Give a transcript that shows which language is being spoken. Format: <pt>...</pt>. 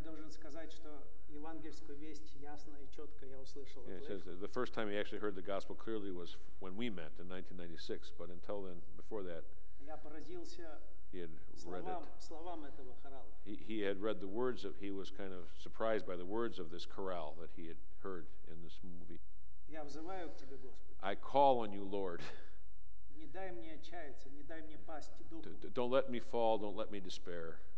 <ru>должен сказать, что евангельскую весть ясно и четко я услышал.</ru> <en>Yeah, says the first time he actually heard the gospel clearly was when we met in 1996, but until then, before that,</en> <ru>я поразился словам этого хорала.</ru> <en>He had read the words of, he was kind of surprised by the words of this chorale that he had heard in this movie.</en> <ru>Я взываю к тебе, Господи.</ru> <en>I call on you, Lord.</en> <ru>Не дай мне отчаяться, не дай мне пасть духу.</ru> <en>Don't let me fall, don't let me despair.</en>